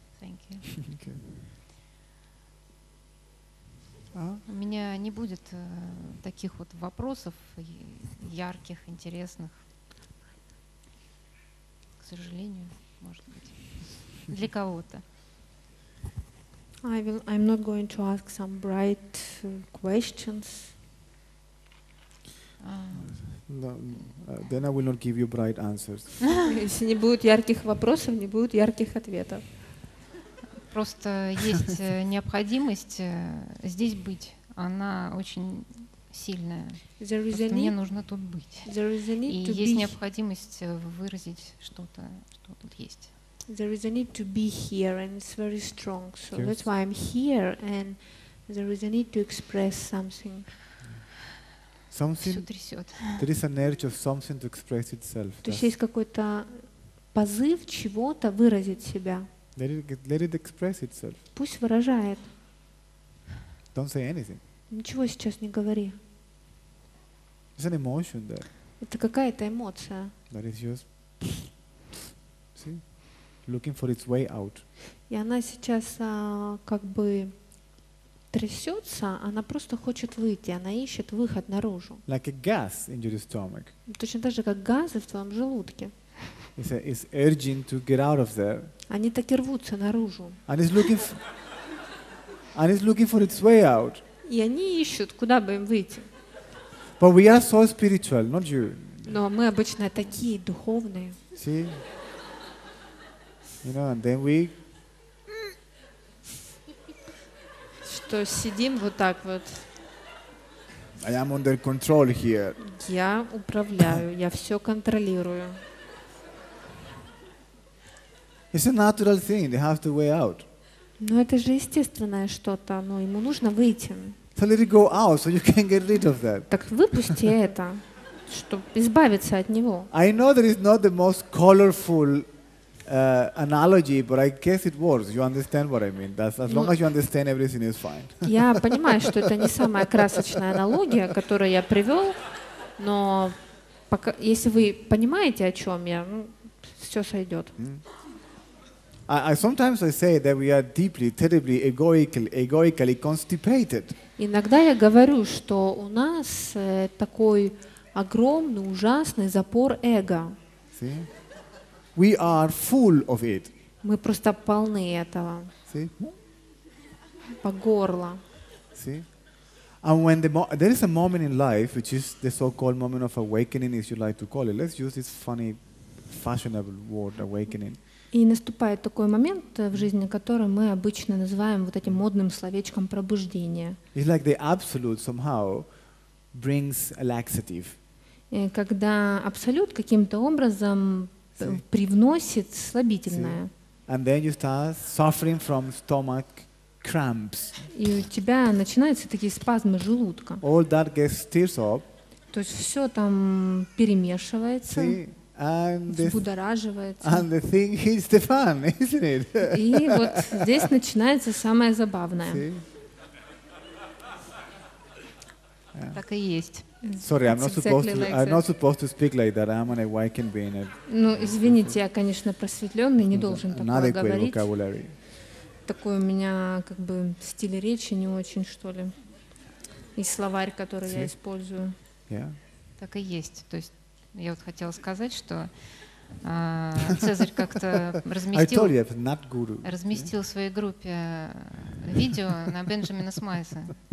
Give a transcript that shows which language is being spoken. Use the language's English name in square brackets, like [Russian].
[English] Thank you. Okay. [Russian] У меня не будет таких вот вопросов ярких, интересных, к сожалению, может быть, для кого-то. [English] I'm not going to ask some bright questions. No, then I will not give you bright answers. [Russian] Если не будет ярких вопросов, не будет ярких ответов. Просто есть необходимость здесь быть. Она очень сильная. Просто мне нужно тут быть. [English] There is a need [Russian] и [English] to [Russian] есть [English] be [Russian] необходимость выразить что-то, что тут есть. [English] There is a need to be here, and it's very strong. So yes, that's why I'm here, and there is a need to express something. Something. [Russian] Все трясет. [English] There is an urge of something to express itself. [Russian] То есть есть какой-то позыв чего-то выразить себя. [English] Let it express itself. [Russian] Пусть выражает. [English] Don't say anything. [Russian] Ничего сейчас не говори. [English] It's an emotion there. [Russian] Это какая-то эмоция. [English] That is just, see, looking for its way out. [Russian] И она сейчас как бы трясется, она просто хочет выйти, она ищет выход наружу. [English] Like a gas in your stomach. [Russian] Точно так же, как газы в твоем желудке. [English] It's urging to get out of there. [Russian] Они так и рвутся наружу. [English] And it's looking for its way out. [Russian] И они ищут, куда бы им выйти. [English] But we are so spiritual, not you. [Russian] Но мы обычно такие духовные. [English] See? You know, and then we [Russian] что сидим вот так вот. [English] I am under control here. [Russian] Я управляю, я все контролирую. [English] It's a natural thing. They have to way out. [Russian] Но это же естественное что-то. Но ему нужно выйти. [English] So let it go out, so you can get rid of that. [Russian] Так выпусти это, чтобы избавиться от него. [English] I know that is not the most colorful analogy, but I guess it works. You understand what I mean? That's, as long as you understand, everything is fine. [Russian] Я понимаю, что это не самая красочная аналогия, которую я привел, но пока, если вы понимаете, о чем я, ну, все сойдет. [English] I sometimes say that we are deeply, terribly egoically constipated. [Russian] Иногда я говорю, что у нас такой огромный, ужасный запор эго. [English] See? We are full of it. [Russian] Мы просто полны этого. [English] See? [Russian] По горло. [English] See? And when there is a moment in life, which is the so-called moment of awakening, if you like to call it, let's use this funny, fashionable word, awakening. [Russian] И наступает такой момент в жизни, который мы обычно называем вот этим модным словечком «пробуждение». [English] It's like the absolute somehow brings a laxative. [Russian] И когда абсолют каким-то образом привносит слабительное. [English] And then you start suffering from stomach cramps. [Russian] И у тебя начинаются такие спазмы желудка. [English] All that gets stirred up. [Russian] То есть все там перемешивается. [English] See? [Russian] Взбудораживается. [English] And the thing hits the fan, isn't it? [Russian] И вот здесь начинается самое забавное. Так и есть. [English] Sorry, I'm not supposed to speak like that. I'm an awakened being. [Russian] Ну, извините, я, конечно, просветленный, не должен такое говорить. Такой у меня как бы стиль речи не очень, что ли. И словарь, который я использую. Так и есть. То есть я вот хотела сказать, что Цезарь как-то разместил в своей группе видео на Бенджамина Смайса.